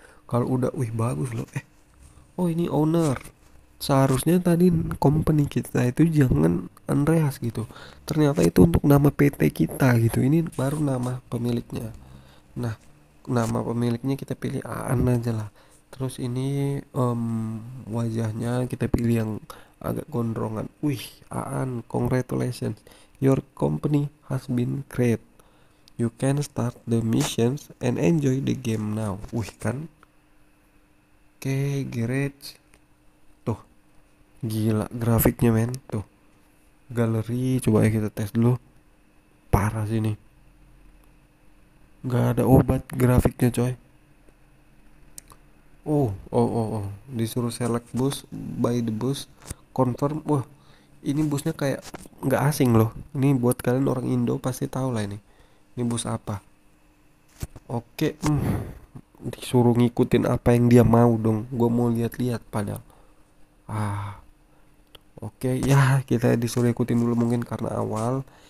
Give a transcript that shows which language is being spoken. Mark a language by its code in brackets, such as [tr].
[id] Kalau udah, wih bagus loh. Eh, oh ini owner. Seharusnya tadi company kita itu jangan Andreas gitu. Ternyata itu untuk nama PT kita gitu. Ini baru nama pemiliknya. Nah, nama pemiliknya kita pilih Aan aja lah. Terus ini wajahnya kita pilih yang agak gondrongan. [en] Wih, Aan, congratulations. Your company has been created. You can start the missions and enjoy the game now. [id] Wih, kan? Okay, garage. Tuh, gila grafiknya, men. Tuh, galeri. Coba ya kita tes dulu. Parah sih ini. Gak ada obat grafiknya, coy. [en] Oh, [id] disuruh [en] select bus by the bus confirm. [id] Wah, ini busnya kayak nggak asing loh. Ini buat kalian orang Indo pasti tahu lah ini. Ini bus apa? Oke, disuruh ngikutin apa yang dia mau dong. Gua mau lihat-lihat padahal. Ah, oke, ya kita disuruh ikutin dulu mungkin karena awal.